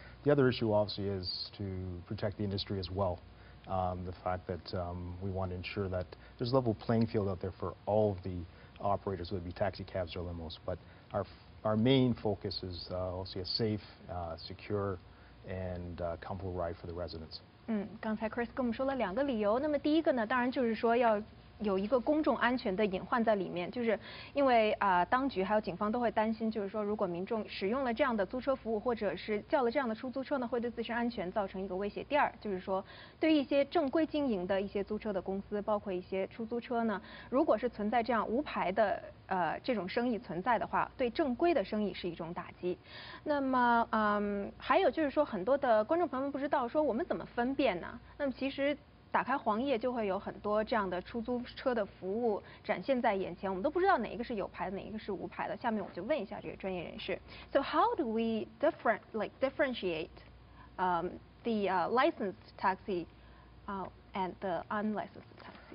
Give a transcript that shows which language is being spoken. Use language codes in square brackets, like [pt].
[en] The other issue, obviously, is to protect the industry as well. The fact that we want to ensure that there's a level playing field out there for all of the operators, whether it be taxi cabs or limos. But our main focus is obviously a safe, secure, and comfortable ride for the residents. [zh] 刚才 Chris 跟我们说了两个理由，那么第一个呢，当然就是说要有一个公众安全的隐患在里面，就是因为当局还有警方都会担心，就是说如果民众使用了这样的租车服务或者是叫了这样的出租车呢，会对自身安全造成一个威胁。第二就是说对于一些正规经营的一些租车的公司，包括一些出租车呢，如果是存在这样无牌的这种生意存在的话，对正规的生意是一种打击。那么还有就是说很多的观众朋友们不知道说我们怎么分辨呢，那么其实打开黄页就会有很多这样的出租车的服务展现在眼前，我们都不知道哪一个是有牌的，哪一个是无牌的。下面我就问一下这个专业人士。 [en] So how do we differentiate the licensed taxi and the unlicensed taxi?